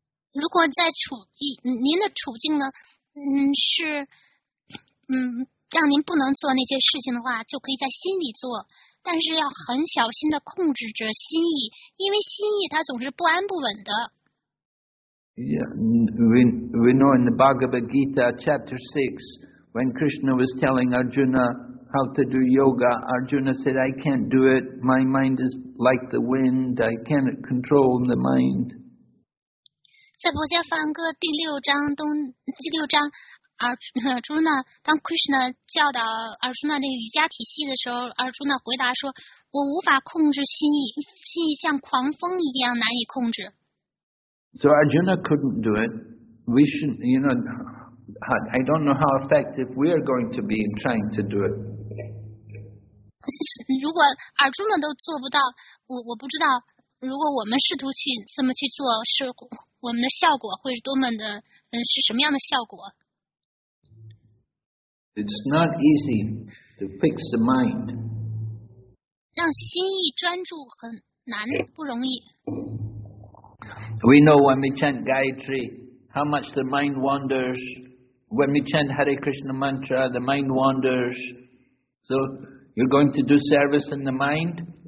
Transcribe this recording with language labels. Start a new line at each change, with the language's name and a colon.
Chinese: 如果在处您的处境呢，是让您不能做那些事情的话，就可以在心里做，但是要很小心的控制着心意，因为心意它总是不安不稳的。
English: Yeah, we know in the Bhagavad Gita chapter 6, when Krishna was telling Arjuna how to do yoga, Arjuna said, I can't do it, my mind is like the wind, I cannot control the mind.
Chinese: 在博伽梵歌第六章 Arjuna, 当 Krishna 教导 Arjuna 这个瑜伽体系的时候， Arjuna 回答说，我无法控制心意，心意像狂风一样难以控制。
English: So Arjuna couldn't do it. We shouldn't, you know, I don't know how effective we are going to be in trying to do it.
Chinese: 如果 Arjuna 都做不到， 我不知道如果我们试图去这么去做，是我们的效果会是多么的，是什么样的效果。
English: It's not easy to fix the mind.
Chinese: 让心意专注很难，不容易。
English: We know when we chant Gayatri, how much the mind wanders. When we chant Hare Krishna mantra, the mind wanders. So, you're going to do service in the mind?